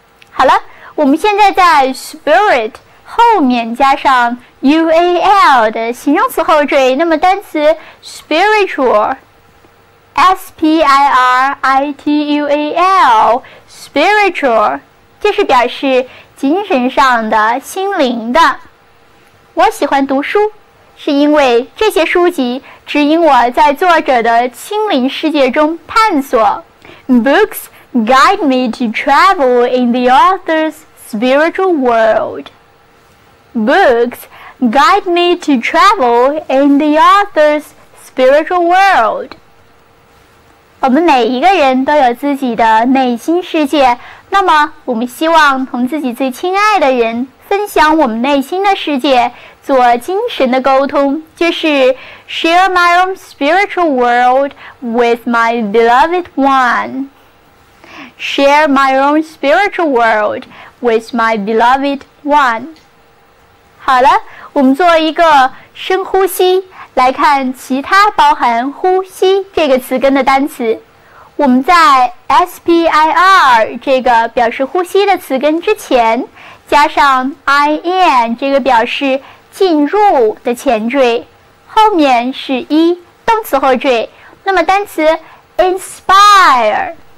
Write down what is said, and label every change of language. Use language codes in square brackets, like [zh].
[zh] 好了，我们现在在 spirit 后面加上 ual 的形容词后缀，那么单词 spiritual S-P-I-R-I-T-U-A-L Spiritual 这是表示精神上的、心灵的。我喜欢读书是因为这些书籍指引我在作者的亲临世界中探索。 [en] Books guide me to travel in the author's spiritual world. Books guide me to travel in the author's spiritual world. [zh] 我们每一个人都有自己的内心世界，那么我们希望同自己最亲爱的人分享我们内心的世界，做精神的沟通，就是 [en] share my own spiritual world with my beloved one. Share my own spiritual world with my beloved one. [zh] 好了，我们做一个深呼吸，来看其他包含呼吸这个词根的单词。我们在 SPIR 这个表示呼吸的词根之前，加上 IN 这个表示进入的前缀，后面是一动词后缀，那么单词 inspire